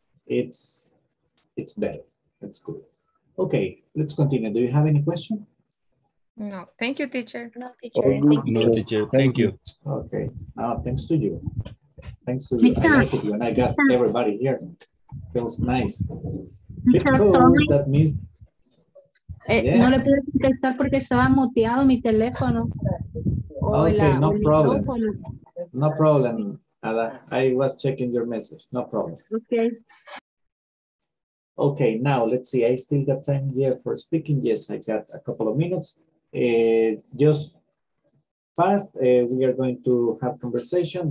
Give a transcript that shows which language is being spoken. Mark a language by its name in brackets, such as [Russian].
[English] It's better. It's good. Okay, let's continue. Do you have any question? No. Thank you, teacher. No, teacher. Oh, no, teacher. Thank you. Okay. Now, thanks to you. Thanks to you. I like you. And I got everybody here. Feels nice. Because that means... [Spanish] No le puedo contestar porque estaba muteado mi teléfono. [English] Okay, no problem. No problem. Ada, I was checking your message. No problem. Okay. Okay, now let's see. I still got time here for speaking. Yes, I got a couple of minutes. Just fast, we are going to have conversation.